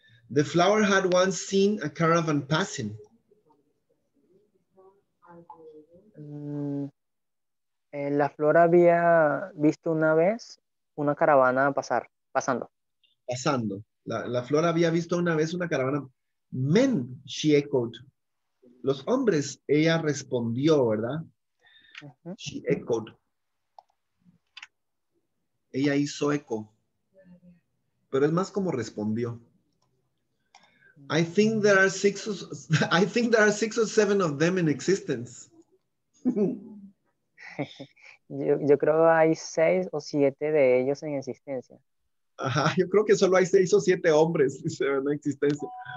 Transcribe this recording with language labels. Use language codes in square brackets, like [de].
[en] The flower had once seen a caravan passing. [es] La flor había visto una vez una caravana pasar, pasando. Pasando. La flor había visto una vez una caravana. [en] Men, she echoed. [es] Los hombres, ella respondió, ¿verdad? [en] Uh-huh. She echoed. [es] Ella hizo eco. Pero es más como respondió. [en] I think there are six or seven of them in existence. [es] Yo creo hay seis o siete de ellos en existencia. Ajá, yo creo que solo hay seis o siete hombres en existencia.